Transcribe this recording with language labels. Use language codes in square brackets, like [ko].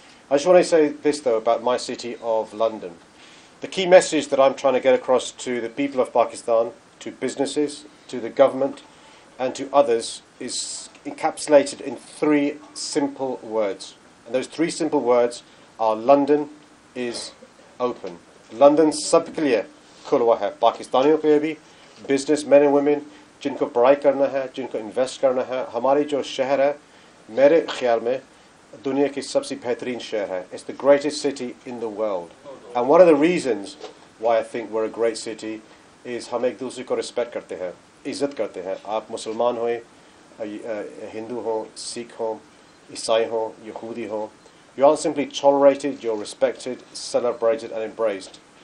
[en] I just want to say this, though, about my city of London. The key message that I'm trying to get across to the people of Pakistan, to businesses, to the government, and to others is encapsulated in three simple words. And those three simple words are London is open. [ur] London سبکیلیے کھلوا ہے۔ پاکستانیوں کے لیے بھی، [en] business men and women، [ur] جنکو buy کرنا ہے، جنکو invest کرنا ہے۔ ہماری جو شہر ہے، میرے خیال میں، دنیا کی سب سے بہترین شہر ہے۔ [en] It's the greatest city in the world. And one of the reasons why I think we're a great city is [ur] ہم ایک دوسرے کو respect کرتے ہیں، [en] عزت کرتے ہیں۔ [ur] Aap musliman hoye, Hindu ho, Sikh ho, Isai ho, Yehudi ho, [en] you aren't simply tolerated, you're respected, celebrated and embraced.